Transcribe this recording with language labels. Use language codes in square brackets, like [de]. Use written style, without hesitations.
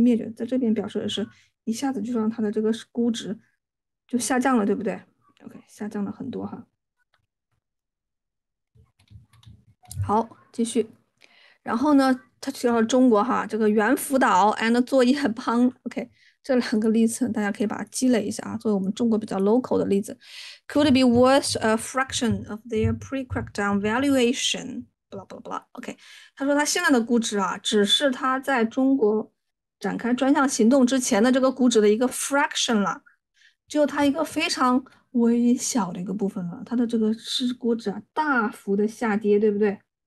[zh] 灭绝在这边表示的是，一下子就让它的这个估值就下降了，对不对？OK，下降了很多哈。好，继续，然后呢？他提到了中国哈，这个猿辅导 and 作业帮，OK，这两个例子大家可以把它积累一下啊，作为我们中国比较 local 的例子。 [en] Could it be worth a fraction of their pre-crackdown valuation？ [zh] 巴拉巴拉巴拉，OK，他说他现在的估值啊，只是他在中国展开专项行动之前的这个估值的一个 fraction 了，只有它一个非常微小的一个部分了，它的这个市估值啊，大幅的下跌，对不对？